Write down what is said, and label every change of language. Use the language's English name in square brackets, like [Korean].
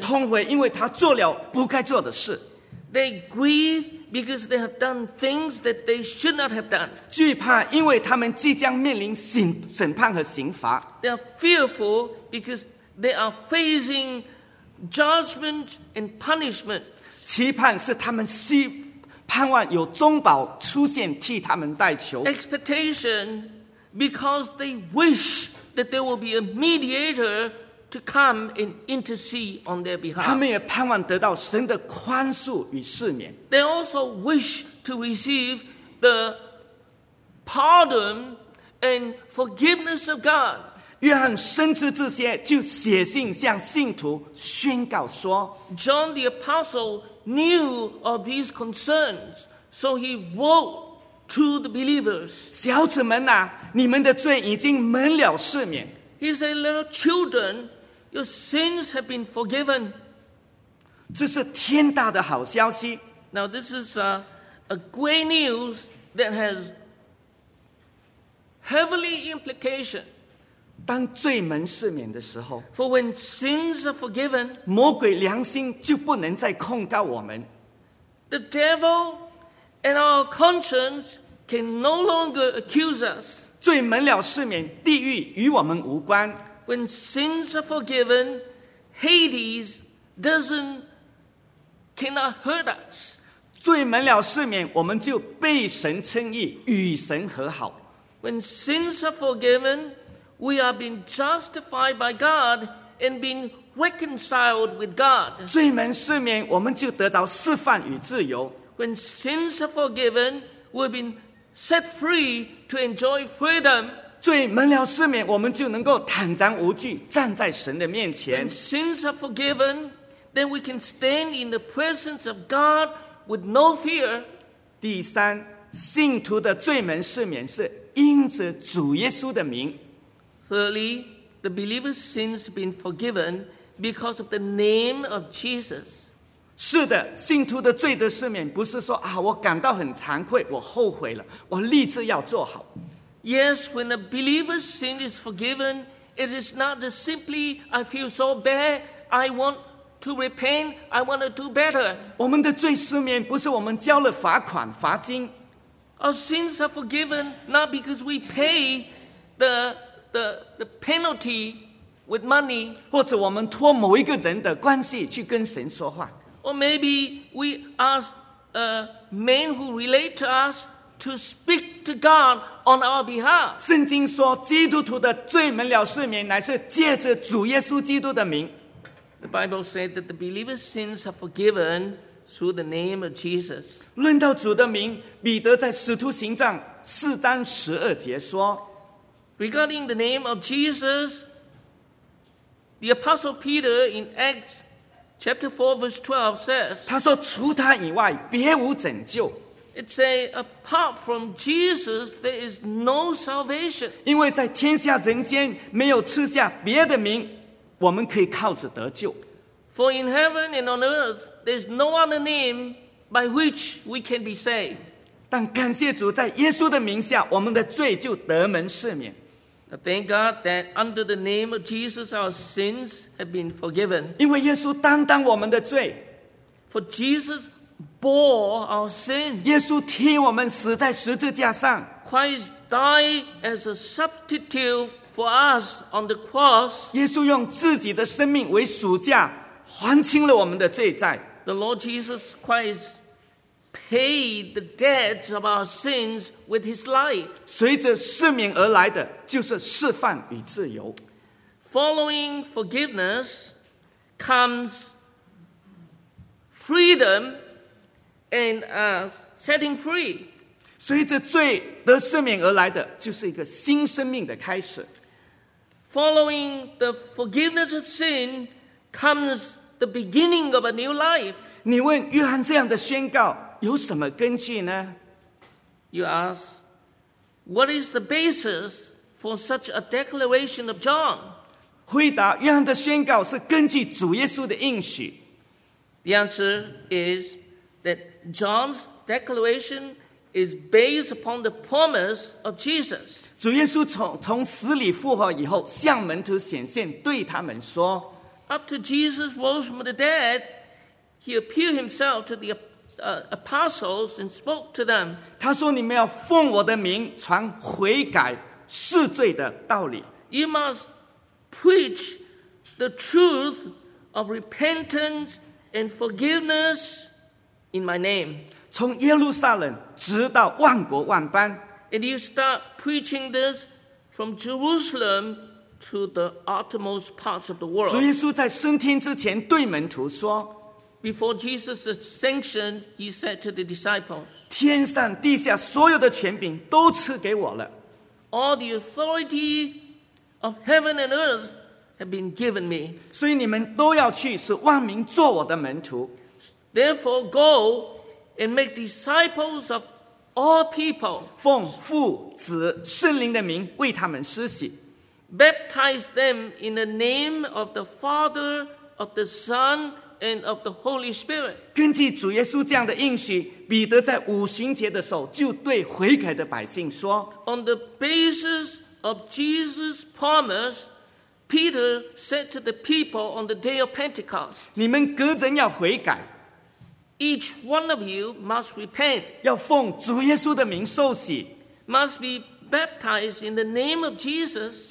[Chinese] 痛悔因为他做了不该做的事 [English] they grieve because they have done things that they should not have done, [Chinese] 惧怕因为他们即将面临审判和刑罚 [English] they are fearful because they are facing judgment and punishment, [Chinese] 期盼是他们希盼望有中保出现替他们代求。 [English] Expectation, because they wish that there will be a mediator to come and intercede on their behalf. [Chinese] 他们也盼望得到神的宽恕与赦免。 [English] They also wish to receive the pardon and forgiveness of God. [Chinese] 约翰深知这些，就写信向信徒宣告说 [English] ，John the Apostle. Knew of these concerns, so he wrote to the believers. [Chinese] 小子们啊，你们的罪已经蒙了赦免。 [English] He said, "Little children, your sins have been forgiven." [Chinese] 这是天大的好消息。 [English] Now this is a great news that has heavenly implication. [Chinese] 当罪蒙赦免的时候 [English] For when sins are forgiven, [Chinese] 魔鬼良心就不能再控告我们 [English] The devil and our conscience can no longer accuse us. [Chinese] 罪蒙了赦免，地狱与我们无关 [English] When sins are forgiven, Hades cannot hurt us. [Chinese] 罪蒙了赦免，我们就被神称义，与神和好 [English] When sins are forgiven,We are being justified by God and being reconciled with God. [Chinese] 罪蒙赦免，我们就得到释放与自由。 [English] When sins are forgiven, we've been set free to enjoy freedom. [Chinese] 罪满了赦免，我们就能够坦然无惧站在神的面前。 [English] When sins are forgiven, then we can stand in the presence of God with no fear. [Chinese] 第三，信徒的罪门赦免是因着主耶稣的名。 [English] Thirdly, the believer's sins have been forgiven because of the name of Jesus. [Chinese] 是的，信徒的罪的赦免不是说啊，我感到很惭愧，我后悔了，我立志要做好。 [English] Yes, when a believer's sin is forgiven, it is not just simply I feel so bad, I want to repent, I want to do better. [Chinese] 我们的罪赦免不是我们交了罚款、罚金。 [English] Our sins are forgiven not because we pay the penalty with money. [Chinese] 或者我们托某一个人的关系去跟神说话。 [English] Or maybe we ask a man who relate to us to speak to God on our behalf. [Chinese] 圣经说，基督徒的罪门了赦免，乃是借着主耶稣基督的名。 [English] The Bible said that the believer's sins are forgiven through the name of Jesus. [Chinese] 论到主的名，彼得在使徒行传四章十二节说 [English] ，Regarding the name of Jesus, the Apostle Peter in Acts. Chapter 4, verse 12 says, [Chinese] 他说除他以外别无拯救。 [English] It says, apart from Jesus, there is no salvation. [Chinese] 因为在天下人间没有赐下别的名，我们可以靠着得救。 [English] For in heaven and on earth, there is no other name by which we can be saved. [Chinese] 但感谢主，在耶稣的名下，我们的罪就得蒙赦免。 [English] Thank God that under the name of Jesus, our sins have been forgiven. [Chinese] 因为耶稣担当我们的罪。 [English] For Jesus bore our sin. [Chinese] 耶稣替我们死在十字架上。 [English] Christ died as a substitute for us on the cross. [Chinese] 耶稣用自己的生命为赎价，还清了我们的罪债。 [English] The Lord Jesus Christ. Paid the debts of our sins with his life. [Chinese] 随着赦免而来的就是释放与自由。 [English] Following forgiveness comes freedom and setting free. [Chinese] 随着罪得赦免而来的就是一个新生命的开始。 [English] Following the forgiveness of sin comes the beginning of a new life. [Chinese] 你问约翰这样的宣告有什么根据呢？ [English] You ask, what is the basis for such a declaration of John? [Chinese] 回答，约翰的宣告是根据主耶稣的应许。 [English] The answer is that John's declaration is based upon the promise of Jesus. [Chinese] 主耶稣 从死里复活以后，向门徒显现，对他们说， [English] After Jesus rose from the dead, he appeared himself to the apostles and spoke to them. [Chinese] 他说你们要奉我的名传悔改赦罪的道理。 [English] You must preach the truth of repentance and forgiveness in my name. [Chinese] 从耶路撒冷直到万国万邦。 [English] And you start preaching this from Jerusalem to the uttermost parts of the world. [Chinese] 主耶稣在升天之前对门徒说， [English] Before Jesus ascended, he said to the disciples, [Chinese] 天上地下所有的权柄都赐给我了。 [English] All the authority of heaven and earth have been given me. [Chinese] 所以你们都要去，使万民做我的门徒。 [English] Therefore, go and make disciples of all people. [Chinese] 奉父、子、圣灵的名为他们施洗。 [English] Baptize them in the name of the Father, of the Son,And of the Holy Spirit. [Chinese] 根据主耶稣这样的应许，彼得在五旬节的时候就对悔改的百姓说， [English] On the basis of Jesus' promise, Peter said to the people on the day of Pentecost, [Chinese] 你们个人要悔改。 [English] Each one of you must repent. [Chinese] 要奉主耶稣的名受洗。 [English] Must be baptized in the name of Jesus.